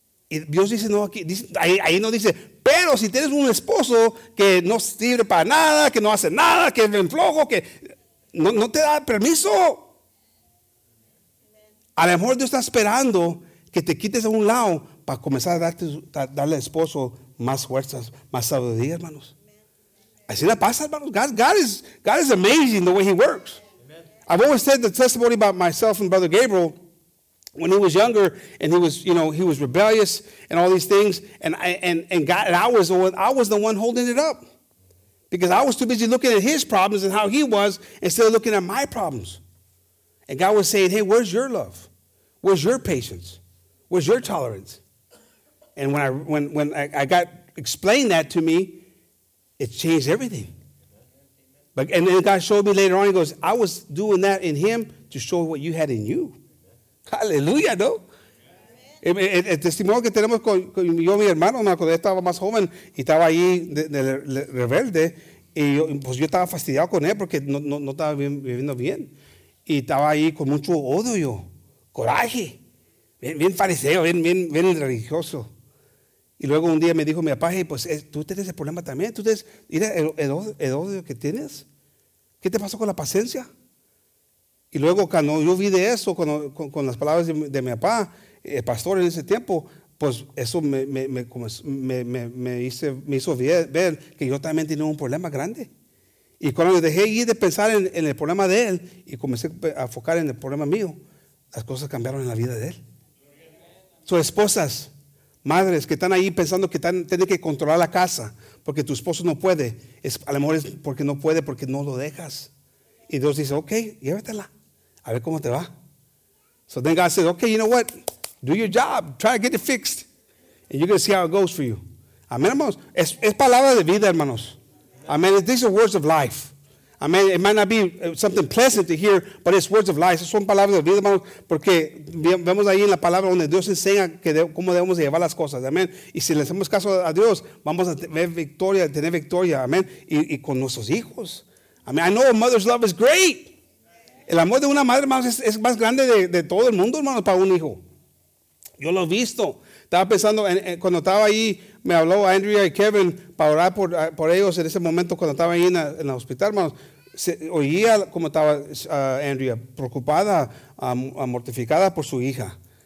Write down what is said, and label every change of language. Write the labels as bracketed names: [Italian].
[Spanish] Y Dios dice, no, aquí dice, ahí no dice, pero si tienes un esposo que no sirve para nada, que no hace nada, que es bien flojo, que no te da permiso. A lo mejor Dios está esperando que te quites a un lado para comenzar a darle al esposo más fuerzas, más sabiduría, hermanos. Así la pasa, hermanos. [English] God is amazing the way he works. I've always said the testimony about myself and Brother Gabriel. When he was younger and he was, you know, he was rebellious and all these things, and I was the one holding it up, because I was too busy looking at his problems and how he was instead of looking at my problems. And God was saying, hey, where's your love? Where's your patience? Where's your tolerance? And when I got explained that to me, it changed everything. But and then God showed me later on, he goes, I was doing that in him to show what you had in you. [Spanish] Aleluya, ¿no? El testimonio que tenemos con yo, mi hermano, cuando estaba más joven y estaba ahí de rebelde, y yo, pues yo estaba fastidiado con él porque no estaba bien, viviendo bien. Y estaba ahí con mucho odio, yo, coraje, bien fariseo, bien religioso. Y luego un día me dijo mi papá, hey, pues tú tienes el problema también, tú tienes, mira el odio que tienes, ¿qué te pasó con la paciencia? Y luego cuando yo vi de eso, con las palabras de mi papá, el pastor en ese tiempo, pues eso me hizo ver que yo también tenía un problema grande. Y cuando dejé ir de pensar en el problema de él y comencé a enfocar en el problema mío, las cosas cambiaron en la vida de él. Sus esposas, madres que están ahí pensando que tienen que controlar la casa porque tu esposo no puede, a lo mejor es porque no puede, porque no lo dejas. Y Dios dice, ok, llévatela, a ver cómo te va. [English] So then God said, okay, you know what? Do your job. Try to get it fixed. And you're going to see how it goes for you. [Spanish] Amén, hermanos. Es palabra de vida, hermanos. Amén. [English] These are words of life. Amén. It might not be something pleasant to hear, but it's words of life. [Spanish] Son palabras de vida, hermanos, porque vemos ahí en la palabra donde Dios enseña cómo debemos llevar las cosas. Amén. Y si le hacemos caso a Dios, vamos a tener victoria. Amén. Y con nuestros hijos. [English] I mean, I know a mother's love is great. [Spanish] El amor de una madre, hermanos, es más grande de todo el mundo, hermanos, para un hijo. Yo lo he visto. Estaba pensando, cuando estaba ahí, me habló Andrea y Kevin para orar por ellos en ese momento cuando estaba ahí en el hospital, hermanos. Oía cómo estaba Andrea, preocupada, mortificada por su hija.